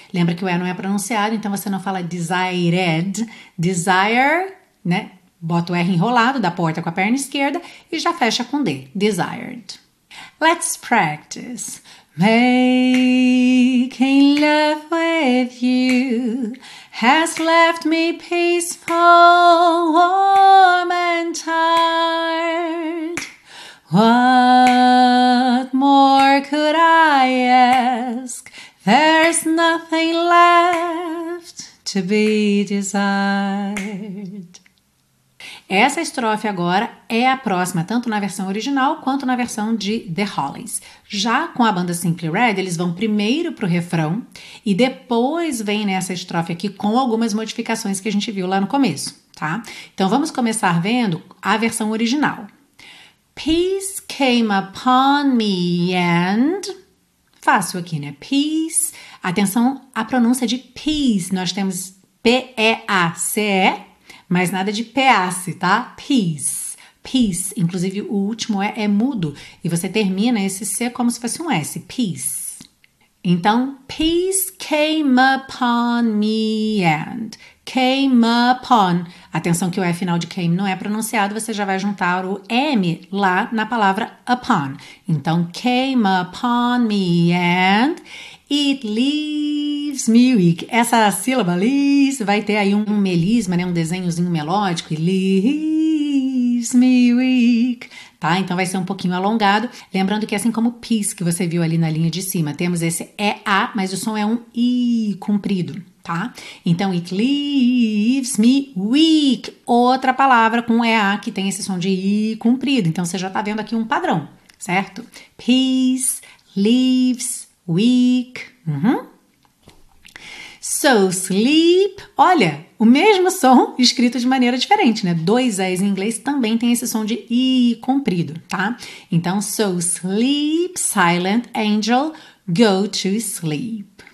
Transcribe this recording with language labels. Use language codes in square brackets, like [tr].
[pt] Lembra que o E não é pronunciado, então você não fala desired, desire, né? Bota o R enrolado da porta com a perna esquerda e já fecha com D, desired. [en] Let's practice. Making love with you has left me peaceful, warm and tired. What more could I ask? There's nothing left to be desired. [pt] Essa estrofe agora é a próxima, tanto na versão original quanto na versão de The Hollies. Já com a banda Simply Red, eles vão primeiro pro refrão e depois vem nessa estrofe aqui com algumas modificações que a gente viu lá no começo, tá? Então vamos começar vendo a versão original. [en] Peace came upon me and... [pt] Fácil aqui, né? Peace. Atenção à pronúncia de peace. Nós temos P-E-A-C-E, mas nada de P-A-C-E, tá? Peace. Peace. Inclusive, o último E é mudo. E você termina esse C como se fosse um S. Peace. [en] Então, peace came upon me and... [pt] Came upon. Atenção que o F final de came não é pronunciado, você já vai juntar o M lá na palavra upon. [en] Então, came upon me and it leaves me weak. [pt] Essa sílaba leaves vai ter aí um melisma, né? Um desenhozinho melódico. [en] Leaves me weak. Tá? [pt] Então, vai ser um pouquinho alongado. Lembrando que assim como peace que você viu ali na linha de cima, temos esse E-A, mas o som é um I comprido. Tá? Então, [en] it leaves me weak. [pt] Outra palavra com EA que tem esse som de I comprido. Então, você já tá vendo aqui um padrão, certo? [en] Peace, leaves, weak. Uhum. So, sleep. [pt] Olha, o mesmo som escrito de maneira diferente, né? Dois E's em inglês também tem esse som de I comprido, tá? [en] Então, so, sleep, silent angel, go to sleep.